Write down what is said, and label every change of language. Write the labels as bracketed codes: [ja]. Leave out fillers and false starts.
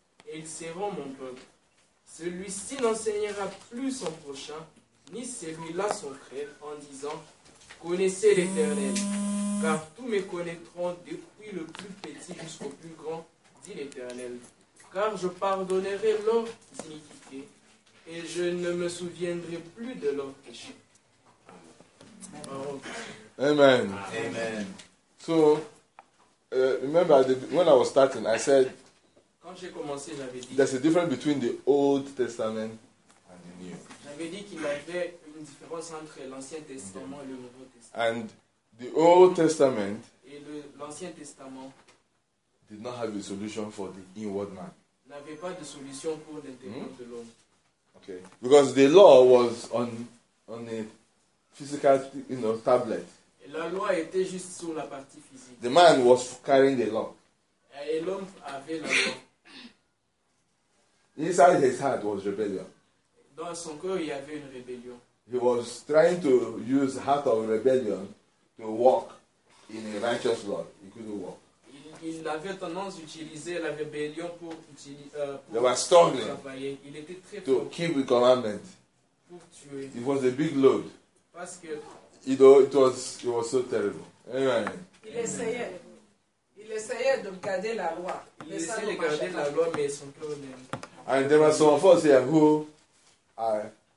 [fr] Et ils seront mon peuple. Celui-ci n'enseignera plus son prochain, ni celui-là son frère, en disant, connaissez l'Éternel, car tous me connaîtront depuis le plus petit jusqu'au plus grand, dit l'Éternel. Car je pardonnerai leurs iniquités, et je ne me souviendrai plus de leurs péchés. Amen. Amen. [en] So, remember, when I was starting, I said, [fr] quand j'ai commencé, j'avais dit, [en] there's a difference between the Old Testament and the New. [fr] J'avais dit qu'il y avait une différence entre l'Ancien Testament et le Nouveau Testament. [en] And the Old Testament [fr] l'Ancien Testament [en] did not have a solution for the inward man. [fr] N'avait pas de solution pour l'intérieur de l'homme. [en] Okay. Because the law was on a physical, you know, tablet. [fr] Et la loi était juste sur la partie physique. [en] The man was carrying the law. [fr] Et l'homme avait la loi. [en] Inside his heart was rebellion. [fr] Dans son cœur, il y avait une rébellion. [en] He was trying to use heart of rebellion to walk in a righteous law. He couldn't walk. [fr] Il ils avaient tendance d'utiliser la rébellion pour [en] they were struggling [fr] il était très [en] to keep the commandment. [fr] Pour tuer. [en] It was a big load. [fr] Parce que [en] it was so terrible. Amen. [fr] Il essayait de garder la loi. Il essayait de garder la loi, mais son cœur n'aime. [en] And there were some of us here who are.